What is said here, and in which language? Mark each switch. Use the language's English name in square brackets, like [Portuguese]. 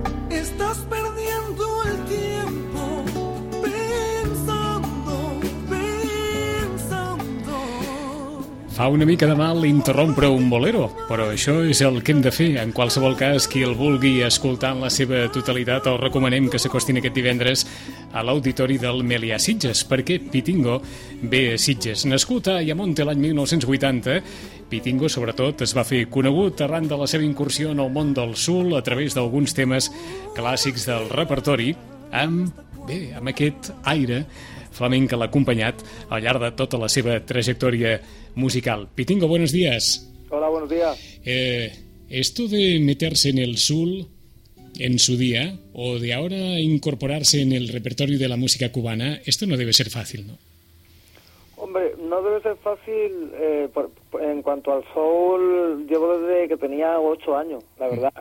[Spanish] Estás perdiendo el tiempo pensando, pensando. [Catalan] Fa una mica de mal interrompre un bolero, però això és el que hem de fer. En qualsevol cas, qui el vulgui escoltar en la seva totalitat, el recomanem que s'acostin aquest divendres a l'auditori del Melià Sitges, perquè Pitingo ve a Sitges. Nascut a Ayamonte l'any 1980, Pitingo, sobretot, es va fer conegut arran de la seva incursió en el món del soul a través d'alguns temes clàssics del repertori amb aquest aire flamenc que l'ha acompanyat al llarg de tota la seva trajectòria musical. [Spanish] Pitingo, buenos días. Hola, buenos días. Esto de meterse en el soul en su día, o de ahora incorporarse en el repertorio de la música cubana, esto no debe ser fácil, ¿no? Hombre, no debe ser fácil. En cuanto al soul, llevo desde que tenía 8 años, la verdad.